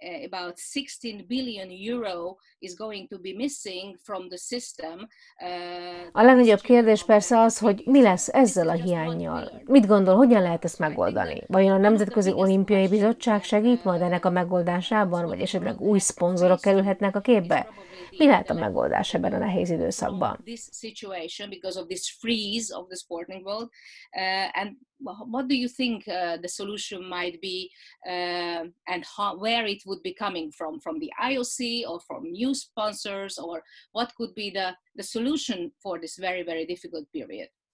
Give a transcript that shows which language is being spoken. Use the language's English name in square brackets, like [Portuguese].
[English] About 16 billion euro is going to be missing from the system. [Hungarian] A legnagyobb kérdés persze az, hogy mi lesz ezzel a hiánnyal. Mit gondol, hogyan lehet ezt megoldani? Vajon a Nemzetközi Olimpiai Bizottság segít majd ennek a megoldásában, vagy esetleg új szponzorok kerülhetnek a képbe? Mi lehet a megoldás ebben a nehéz időszakban? [English] This situation because of this freeze of the sporting world and what do you think the solution might be and where it would be coming from the IOC or from new sponsors or what could be the solution for this very very difficult period?